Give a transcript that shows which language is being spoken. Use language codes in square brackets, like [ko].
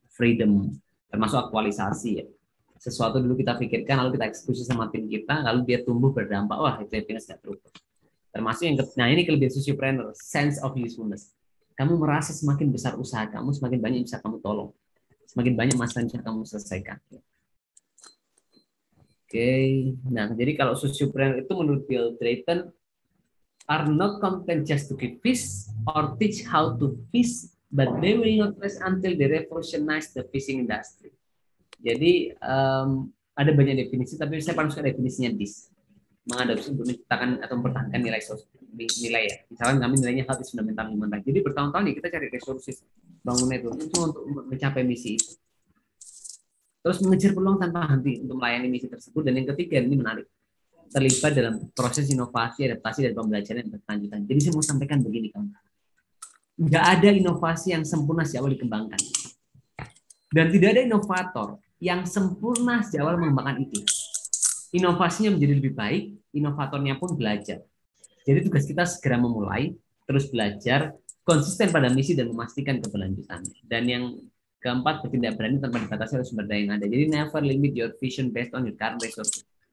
[id] Freedom, termasuk aktualisasi ya. Sesuatu dulu kita pikirkan, lalu kita eksekusi sama tim kita, lalu dia tumbuh berdampak, wah itu happiness gak terukur. Termasuk yang ketiga, nah ini kelebihan sociopreneur, [en] sense of usefulness. [id] Kamu merasa semakin besar usaha kamu, semakin banyak yang bisa kamu tolong. Semakin banyak masalah yang bisa kamu selesaikan. Oke. Nah, jadi kalau sociopreneur itu menurut [en] Bill Drayton, are not content just to keep fish or teach how to fish, but they will not rest until they revolutionize the fishing industry. [id] Jadi, ada banyak definisi, tapi saya paling suka definisinya this. Mengadopsi untuk menciptakan atau mempertahankan nilai sosial. Nilai ya, misalkan kami nilainya hal itu [en] fundamental human rights. [id] Jadi bertahun-tahun ya kita cari resources bangun network itu untuk mencapai misi itu. Terus mengejar peluang tanpa henti untuk melayani misi tersebut. Dan yang ketiga ini menarik, terlibat dalam proses inovasi, adaptasi dan pembelajaran yang berkelanjutan. Jadi saya mau sampaikan begini kan, nggak ada inovasi yang sempurna sejak awal dikembangkan. Dan tidak ada inovator yang sempurna sejak awal mengembangkan itu. Inovasinya menjadi lebih baik, inovatornya pun belajar. Jadi tugas kita segera memulai, terus belajar, konsisten pada misi, dan memastikan keberlanjutannya. Dan yang keempat, bertindak berani tanpa dibatasi oleh sumber daya yang ada. Jadi [en] never limit your vision based on your current resources.